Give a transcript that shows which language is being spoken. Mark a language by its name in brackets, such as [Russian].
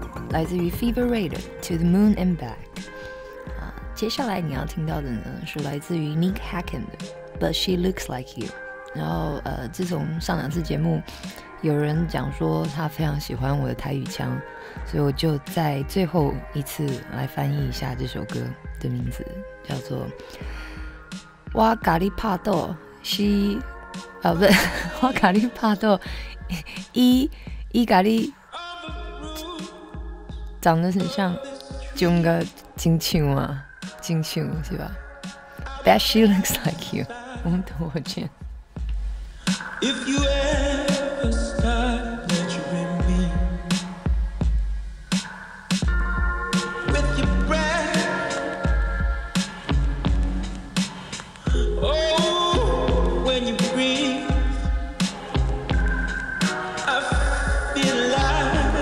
[Chinese] 来自于 Fever Ray 的 To the Moon and Back。接下来你要听到的呢，是来自于 Nick Hacken 的 But She Looks Like You。然后自从上两次节目，有人讲说他非常喜欢我的台语腔，所以我就在最后一次来翻译一下这首歌的名字，叫做我咖喱帕豆西，啊不对，我咖喱帕豆伊咖喱。长得很像中个金青啊，金青是吧 ？But she looks like you。我们等我见。 [English] If you ever start measuring me with your breath, oh, when you breathe, I feel alive.